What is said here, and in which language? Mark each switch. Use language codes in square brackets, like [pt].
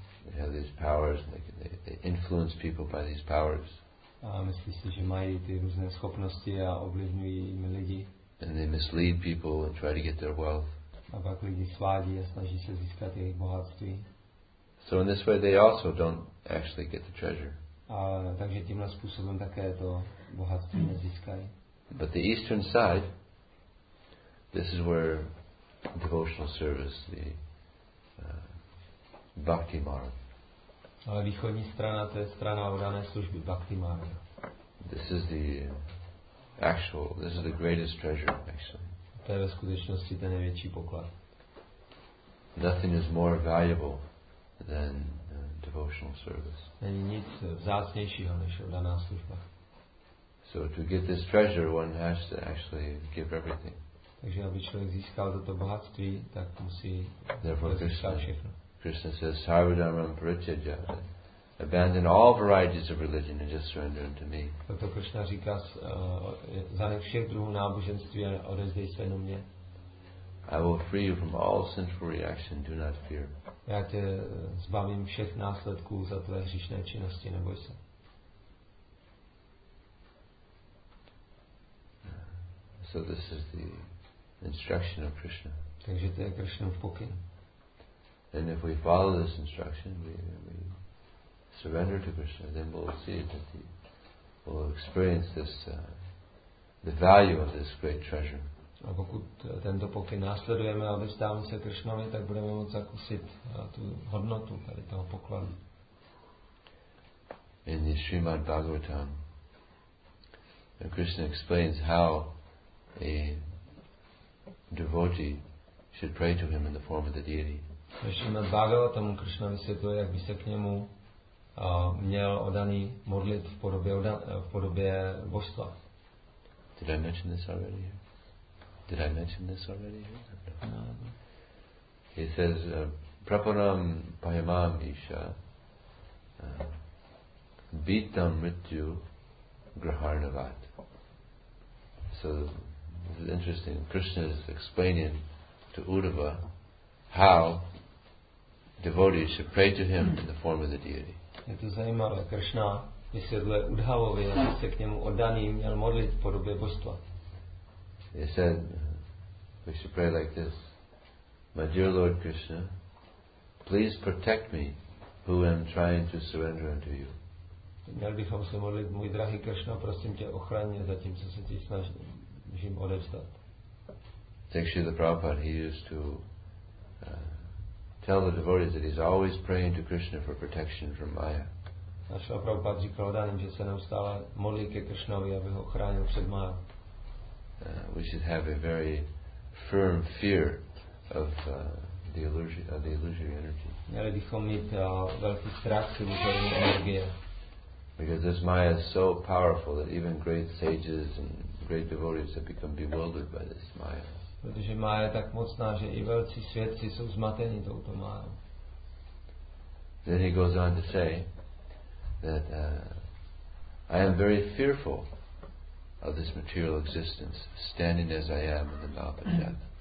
[en] They have these powers, and they influence people by these powers. [cs] A myslí si, že mají ty různé schopnosti a ovlivňují jimi lidi. [en] And they mislead people and try to get their wealth. [cs] A pak lidi svádí a snaží se získat jejich bohatství. [en] So in this way, they also don't actually get the treasure. [cs] A takže tímhle způsobem také to bohatství nezískají. [en] But the eastern side, this is where devotional service, the Bhakti Marg. [cs] Ale východní strana, to je strana oddané služby Bhakti Marga. [en] This is the actual. This is the greatest treasure, actually. [cs] To je ve skutečnosti ten největší poklad. [en] Nothing is more valuable than devotional service. [cs] Není nic vzácnějšího než oddaná služba. [en] So to get this treasure, one has to actually give everything. [cs] Takže aby člověk získal toto bohatství, tak musí získat všechno. [en] Krishna says, [sa] "Sarvadharmam paritya, [en] abandon all varieties of religion and just surrender unto me." [cs] Proto Krishna říká, zanech všech druhů náboženství a odevzdej se jenom mě. [en] I will free you from all sinful reaction. Do not fear. [cs] Já tě zbavím všech následků za tvé hříšné činnosti. Neboj se. [en] So this is the instruction of Krishna. [cs] Takže to je Krishnův pokyn. [en] And if we follow this instruction, we surrender to Krishna, then we'll see that we will experience this the value of this great treasure. [cs] A pokud tento pokyn následujeme a vystáváme se Krishnovi, tak budeme moct zakusit tu hodnotu tady toho pokladu. [en] In the Srimad Bhagavatam, Krishna explains how a devotee should pray to him in the form of the deity. [cs] Ve Srimad Bhagavatam Krishna vysvětluje, jak by se k němu měl odaný modlit v podobě božstva. [en] Did I mention this already? Did I mention this already? No. He says, [sa] "Prapanam payamam isha, bitam mrityu graharnavat." [en] So this is interesting. Krishna is explaining to Uddhava how devotees should pray to him in the form of the deity. [cs] Je to zajímavé. Krishna vysvětluje Uddhavovi, aby se k němu oddaný měl modlit v podobě božstva. [en] He said, we should pray like this. My dear Lord Krishna, please protect me who am trying to surrender unto you. [cs] Měl bychom se modlit, můj drahý Krishna, prosím tě, ochraň mě za tím, co se ti snažím odevzdat. [en] Tak Srila Prabhupada, he used to tell the devotees that he's always praying to Krishna for protection from Maya. [cs] A Srila Prabhupada říkal odaným, že se neustále modlí ke Krishnovi, aby ho chránil před Maya. [en] We should have a very firm fear of the illusory energy. [cs] Měli bychom mít velký strach z iluzorní energie. [en] Because this Maya is so powerful that even great sages and great devotees have become bewildered by this Maya. [cs] Protože Maya je tak mocná, že i velcí světci jsou zmateni touto Mayou. [en] Then he goes on to say that I am very fearful of this material existence, standing as I am in the mouth of death.